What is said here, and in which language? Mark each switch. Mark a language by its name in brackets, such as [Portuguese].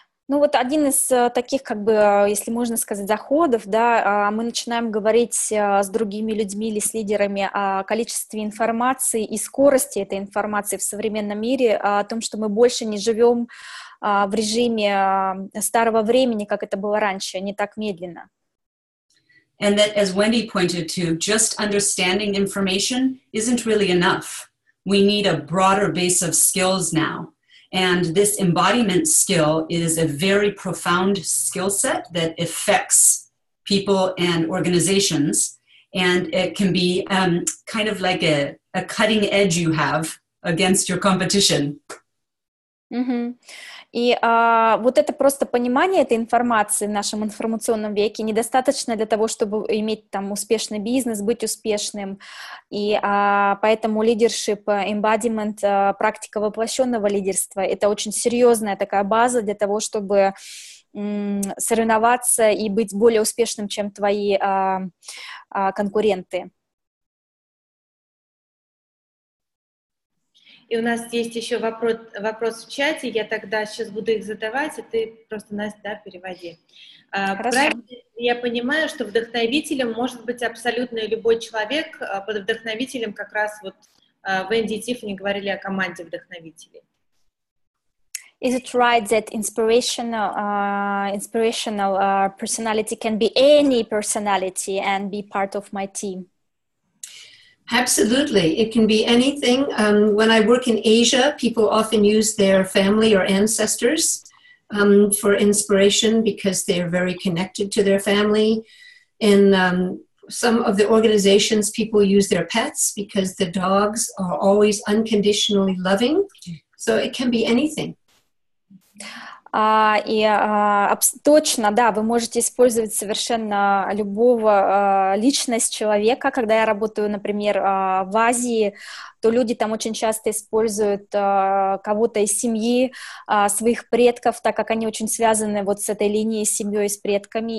[Russian] Ну вот один из таких, как бы, если можно сказать, заходов, да, мы начинаем говорить с другими людьми или с лидерами о количестве информации и скорости этой информации в современном мире, о том, что мы больше не живем в режиме старого времени, как это было раньше, не так медленно. [English] And that, as Wendy pointed to, just understanding information isn't really enough. We need a broader base of skills now. And this embodiment skill is a very profound skill set that affects people and organizations. And it can be kind of like a cutting edge you have against your competition. Mm-hmm. [Russian] И вот это просто понимание этой информации в нашем информационном веке недостаточно для того, чтобы иметь там успешный бизнес, быть успешным. И поэтому leadership embodiment, практика воплощенного лидерства, это очень серьезная такая база для того, чтобы соревноваться и быть более успешным, чем твои конкуренты. И у нас есть еще вопрос в чате, я тогда сейчас буду их задавать, и ты просто, Настя, да, переводи. Правильно, я понимаю, что вдохновителем может быть абсолютно любой человек, под вдохновителем как раз вот Венди и Тиффани говорили о команде вдохновителей. [English] Is it right that inspirational personality can be any personality and be part of my team? Absolutely. It can be anything. When I work in Asia, people often use their family or ancestors for inspiration because they are very connected to their family. In some of the organizations, people use their pets because the dogs are always unconditionally loving. So it can be anything. [Russian] Точно, да, вы можете использовать совершенно любого личность человека. Когда я работаю, например, в Азии, то люди там очень часто используют кого-то из семьи, своих предков, так как они очень связаны вот с этой линией, с семьей, с предками.